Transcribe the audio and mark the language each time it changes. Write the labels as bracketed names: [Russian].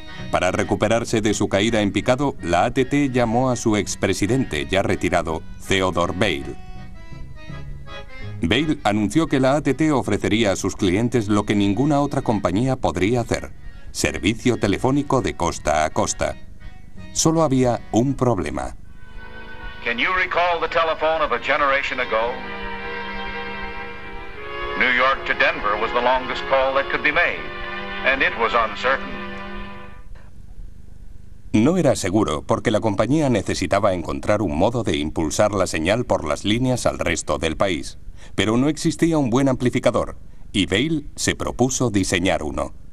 [Spanish] Para recuperarse de su caída en picado, la AT&T llamó a su expresidente, ya retirado, Theodore Bale. Bale anunció que la AT&T ofrecería a sus clientes lo que ninguna otra compañía podría hacer: servicio telefónico de costa a costa. Solo había un problema. [English] Can you recall the telephone of a generation ago? New York to Denver was the longest call that could be made, and it was uncertain. [Spanish] No era seguro porque la compañía necesitaba encontrar un modo de impulsar la señal por las líneas al resto del país, pero no existía un buen amplificador y Bale se propuso diseñar uno.